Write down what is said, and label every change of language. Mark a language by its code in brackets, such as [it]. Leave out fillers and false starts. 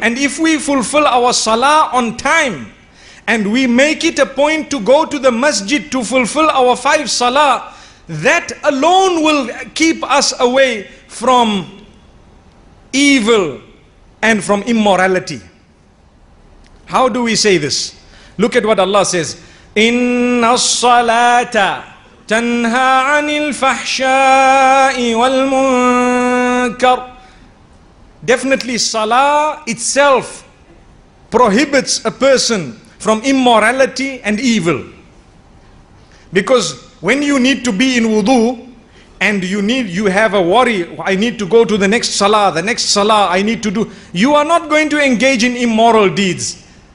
[en] And if we fulfill our salah on time and we make it a point to go to the masjid to fulfill our 5 salah, that alone will keep us away from evil and from immorality. How do we say this? Look at what Allah says. [ar] Inna salata تنهى عن الفحشاء والمنكر. [en] Definitely salah itself prohibits a person from immorality and evil. Because when you need to be in wudu and you have a worry, I need to go to the next salah, I need to do, you are not going to engage in immoral deeds.